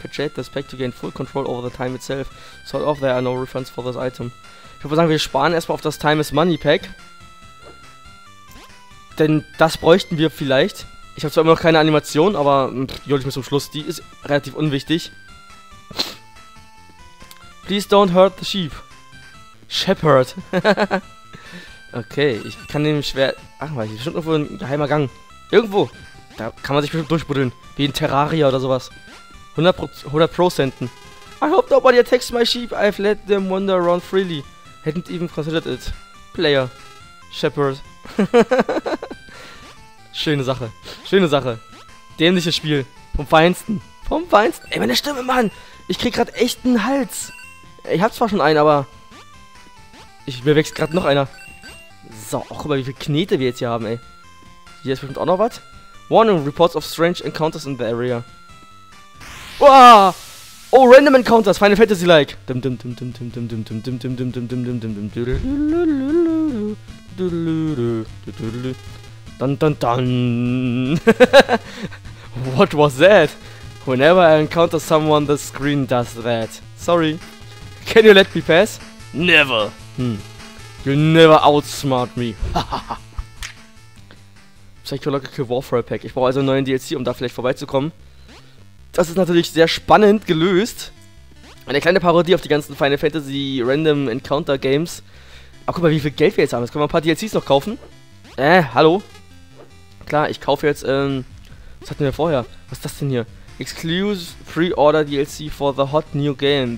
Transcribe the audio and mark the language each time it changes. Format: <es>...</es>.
<en>Purchase this pack to gain full control over the time itself. Sort of, there are no refunds for this item.</en> <de>Ich würde sagen, wir sparen erstmal auf das Time is Money Pack. Denn das bräuchten wir vielleicht. Ich habe zwar immer noch keine Animation, aber die hole ich mir zum Schluss. Die ist relativ unwichtig.</de> <en>Please don't hurt the sheep. Shepherd. Okay,</en> <de>ich kann dem Schwert. Ach, mal, hier ist bestimmt irgendwo ein geheimer Gang. Irgendwo. Da kann man sich bestimmt durchbuddeln. Wie in Terraria oder sowas.</de> <en>100%. I hope nobody attacks my sheep. I've let them wander around freely. Hadn't even considered it. Player. Shepherd.</en> <de>Schöne Sache. Schöne Sache. Dämliches Spiel. Vom Feinsten. Vom Feinsten. Ey, meine Stimme, Mann. Ich krieg grad echt einen Hals. Ich hab zwar schon einen, aber. Mir wächst gerade noch einer. So, guck mal, wie viele Knete wir jetzt hier haben, ey. Hier ist bestimmt auch noch was.</de> <en>Warning, reports of strange encounters in the area. Wow! Oh, random encounters, Final Fantasy-like. Dun dun dun. What was that? Whenever I encounter someone, the screen does that. Sorry. Can you let me pass? Never. You'll never outsmart me. Psychological Warfare Pack.</en> <de>Ich brauche also einen neuen DLC, um da vielleicht vorbeizukommen. Das ist natürlich sehr spannend gelöst. Eine kleine Parodie auf die ganzen Final Fantasy Random Encounter Games. Aber guck mal, wie viel Geld wir jetzt haben. Jetzt können wir ein paar DLCs noch kaufen. Hallo? Klar, ich kaufe jetzt, was hatten wir vorher? Was ist das denn hier?</de> <en>Exclusive Pre-Order DLC for the hot new game.</en>